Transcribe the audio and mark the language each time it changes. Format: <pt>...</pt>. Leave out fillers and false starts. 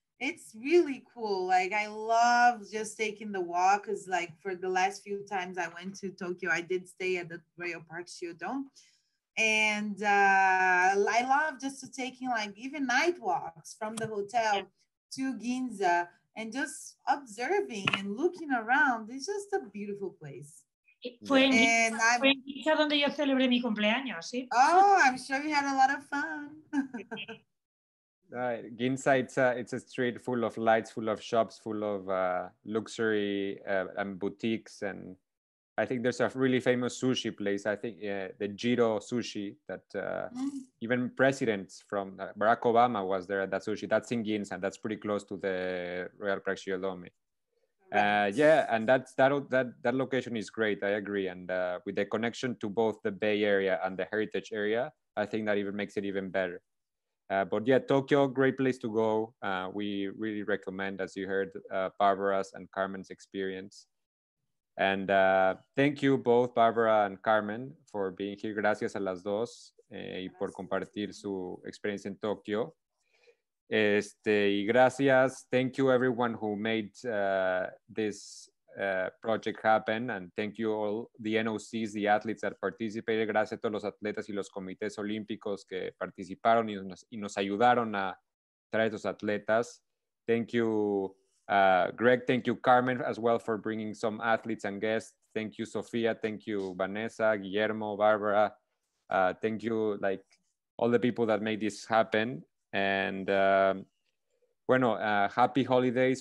<en>It's really cool. Like, I love just taking the walk, because, like, for the last few times I went to Tokyo, I did stay at the Royal Park Shiodome. And I love just taking, like, even night walks from the hotel to Ginza and just observing and looking around. It's just a beautiful place.</en> <es>Fue en Ginza donde yo celebré mi cumpleaños, ¿sí?</es> <en>Oh, I'm sure you had a lot of fun. Ginza, it's a street full of lights, full of shops, full of luxury and boutiques. And I think there's a really famous sushi place. I think the Jiro Sushi, that even presidents from Barack Obama was there at that sushi. That's in Ginza. That's pretty close to the Royal Park Shiodome. And that location is great. I agree. And with the connection to both the Bay Area and the Heritage Area, I think that even makes it even better. But yeah, Tokyo, great place to go. We really recommend, as you heard, Barbara's and Carmen's experience. And thank you both, Barbara and Carmen, for being here.</en> <es>Gracias a las dos y por compartir su experiencia en Tokio. Y gracias.</es> <en>Thank you, everyone who made this project happen. And thank you all the NOCs, the athletes that participated.</en> <es>Gracias a todos los atletas y los comités olímpicos que participaron y nos ayudaron a traer estos atletas.</es> <en>Thank you, Greg. Thank you, Carmen, as well, for bringing some athletes and guests. Thank you, Sofía. Thank you, Vanessa, Guillermo, Barbara. Thank you, like, all the people that made this happen. And happy holidays.</en>